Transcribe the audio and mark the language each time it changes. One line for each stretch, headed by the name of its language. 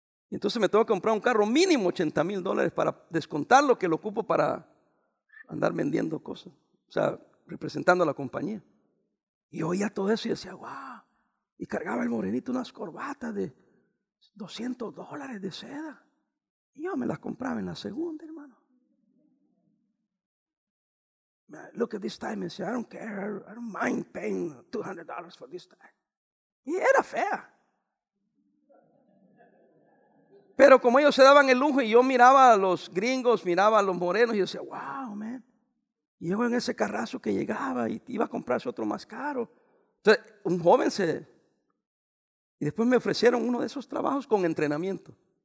Spanish: Y entonces me tengo que comprar un carro mínimo $80,000 para descontar lo que lo ocupo para andar vendiendo cosas. O sea, representando a la compañía. Y oía todo eso y decía, wow. Y cargaba el morenito unas corbatas de $200 de seda. Y yo me las compraba en la segunda, hermano.
English: Look at this tie,
Spanish: me decía,
English: I don't care, I don't mind paying $200 for this tie.
Spanish: Y era fea. Pero como ellos se daban el lujo y yo miraba a los gringos, miraba a los morenos y yo decía, wow, man. Y yo en ese carrazo que llegaba y iba a comprarse otro más caro. Entonces, un joven se... Y después me ofrecieron uno de esos trabajos con entrenamiento.